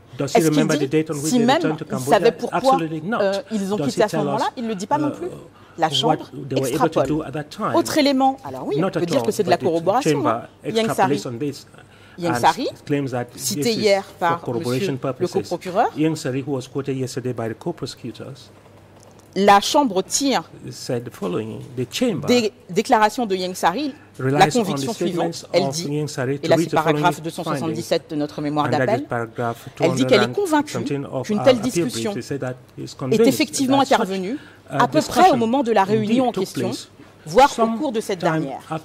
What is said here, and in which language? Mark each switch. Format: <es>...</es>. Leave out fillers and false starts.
<fr>Est-ce qu'il dit si même ils savaient pourquoi ils ont quitté à ce moment-là ? Il ne le dit pas non plus. La Chambre extrapole. Autre élément, alors oui, on peut dire que c'est de la corroboration. Yeung Sari. Yeung Sari, cité hier par monsieur le coprocureur.</fr> <en>Yeung Sari, who was quoted yesterday by the co-prosecutors.</en> <fr>La Chambre tire des déclarations de Yeung Sari la conviction suivante. Elle dit, et là c'est paragraphe 277 de notre mémoire d'appel, elle dit qu'elle est convaincue qu'une telle discussion est effectivement intervenue à peu près au moment de la réunion en question, voire au cours de cette dernière.</fr>